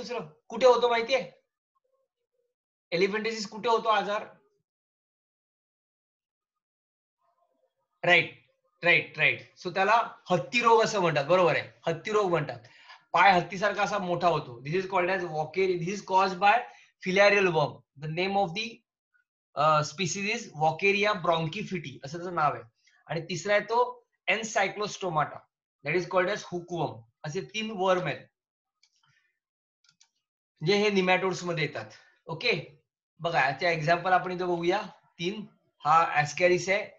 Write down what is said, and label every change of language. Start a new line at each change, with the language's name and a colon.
Marathi: दुसरं कुठे होतो माहितीये एलिफंटसिस कुठे होतो आजार? Right right right. सो त्याला हत्ती रोग असं म्हणतात. बरोबर आहे, हत्ती रोग म्हणतात. पाय हत्ती सारखा असा मोठा होतो.
English: This is called as Wuchereria. This is cause by filarial worm. The name of the species is Wuchereria bancrofti
Marathi: असं त्याचं नाव आहे. आणि तिसरा येतो
English: Ancylostomata that is called as hookworm.
Marathi: असे तीन वर्म आहेत जे हे निमॅटोड्स मध्ये येतात. ओके बघा त्या एक्झाम्पल आपण इथं बघूया. तीन हा ऍस्कॅरिस आहे.